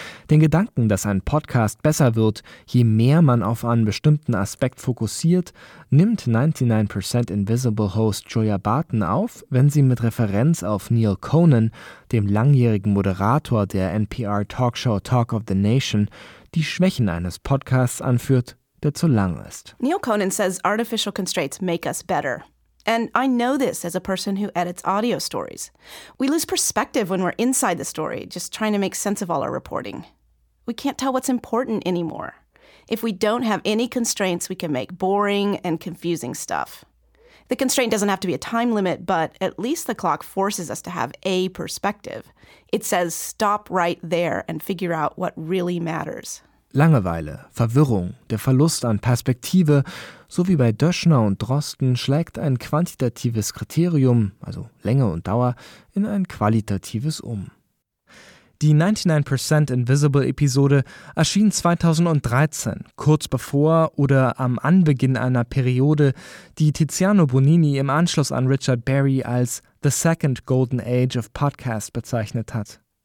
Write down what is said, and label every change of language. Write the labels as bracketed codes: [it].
[de] Den Gedanken, dass ein Podcast besser wird, je mehr man auf einen bestimmten Aspekt fokussiert, nimmt 99% Invisible Host Julia Barton auf, wenn sie mit Referenz auf Neil Conan, dem langjährigen Moderator der NPR-Talkshow Talk of the Nation, die Schwächen eines Podcasts anführt, der zu lang ist. [en] Neil Conan says artificial constraints make us better. And I know this as a person who edits audio stories. We lose perspective when we're inside the story, just trying to make sense of all our reporting. We can't tell what's important anymore. If we don't have any constraints, we can make boring and confusing stuff. The constraint doesn't have to be a time limit, but at least the clock forces us to have a perspective. It says stop right there and figure out what really matters. [de] Langeweile, Verwirrung, der Verlust an Perspektive, so wie bei Döschner und Drosten, schlägt ein quantitatives Kriterium, also Länge und Dauer, in ein qualitatives um. Die 99% Invisible Episode erschien 2013, kurz bevor oder am Anbeginn einer Periode, die Tiziano Bonini im Anschluss an Richard Berry als The Second Golden Age of Podcast bezeichnet hat.